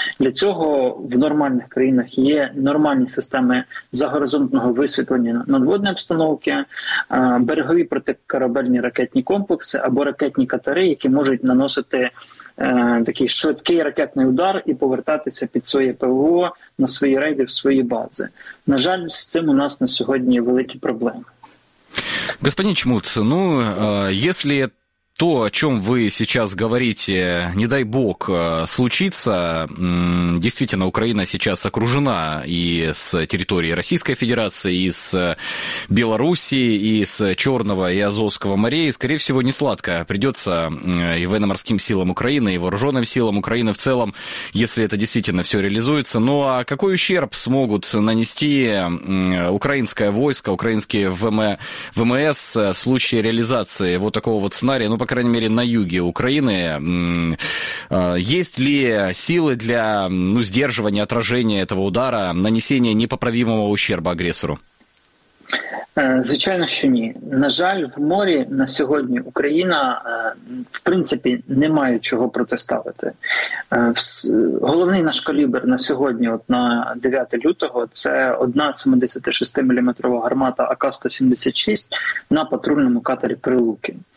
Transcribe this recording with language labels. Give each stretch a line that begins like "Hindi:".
Ukrainian: Для цього в нормальних країнах є нормальні системи загоризонтного висвітлення надводної обстановки, берегові протикорабельні ракетні комплекси або ракетні катери, які можуть наносити такий швидкий ракетний удар і повертатися під своє ПВО на свої рейди, в свої бази. На жаль, з цим у нас на сьогодні великі проблеми.
Russian: Господин Чемуц, ну, если То, о чем вы сейчас говорите, не дай бог, случится. Действительно, Украина сейчас окружена и с территории Российской Федерации, и с Белоруссии, и с Черного и Азовского морей. И, скорее всего, не сладко придется и военно-морским силам Украины, и вооруженным силам Украины в целом, если это действительно все реализуется. Ну а какой ущерб смогут нанести украинское войско, украинские ВМС в случае реализации вот такого вот сценария? Ну, по крайней мере, на юге Украины, есть ли силы для сдерживания, отражения этого удара, нанесения непоправимого ущерба агрессору?
Ukrainian: Звичайно, що ні. На жаль, в морі на сьогодні Україна, в принципі, не має чого протиставити. Головний наш калібр на сьогодні, от на 9 лютого, це одна 76-мм гармата АК-176 на патрульному катері «Прилуки».